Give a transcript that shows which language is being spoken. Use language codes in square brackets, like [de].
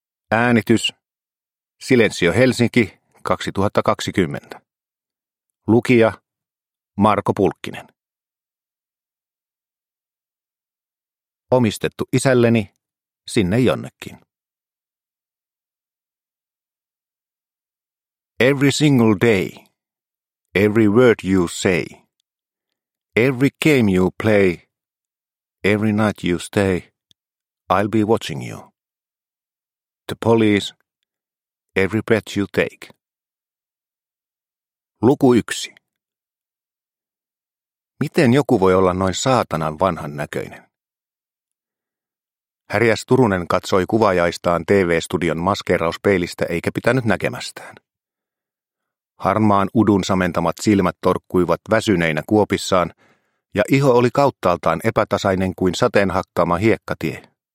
[fi] Äänitys, Silensio Helsinki, 2020. Lukija, Marko Pulkkinen. Omistettu isälleni, sinne jonnekin. [en] Every single day, every word you say. Every game you play, every night you stay, I'll be watching you. The police, every breath you take. [fi] Luku 1. Miten joku voi olla noin saatanan vanhan näköinen? Härjäs Turunen katsoi kuvaajaistaan TV-studion maskeerauspeilistä eikä pitänyt näkemästään. Harmaan udun samentamat silmät torkkuivat väsyneinä kuopissaan, ja iho oli kauttaaltaan epätasainen kuin sateen hakkaama hiekkatie.